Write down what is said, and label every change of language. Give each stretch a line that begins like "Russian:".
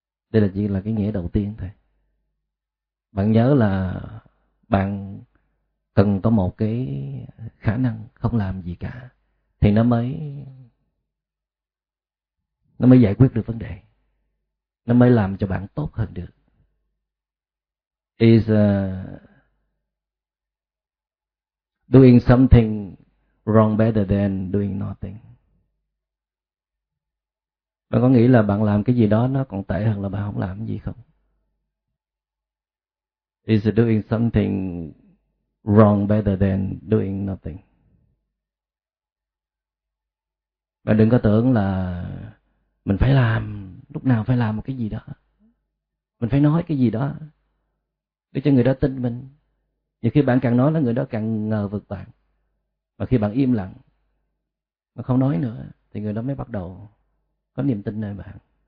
Vietnamese: Đây là chỉ là cái nghĩa đầu tiên thôi. Bạn nhớ là bạn cần có một cái khả năng không làm gì cả thì nó mới giải quyết được vấn đề, nó mới làm cho bạn tốt hơn được.
English: Is doing something wrong better than doing nothing.
Vietnamese: Bạn có nghĩ là bạn làm cái gì đó nó còn tệ hơn là bạn không làm cái gì không?
English: Is doing something wrong better than doing nothing.
Vietnamese: Bạn đừng có tưởng là mình phải làm, lúc nào phải làm một cái gì đó, mình phải nói cái gì đó để cho người đó tin mình. Nhiều khi bạn càng nói là người đó càng ngờ vực bạn. Mà khi bạn im lặng mà không nói nữa thì người đó mới bắt đầu có niềm tin nơi bạn.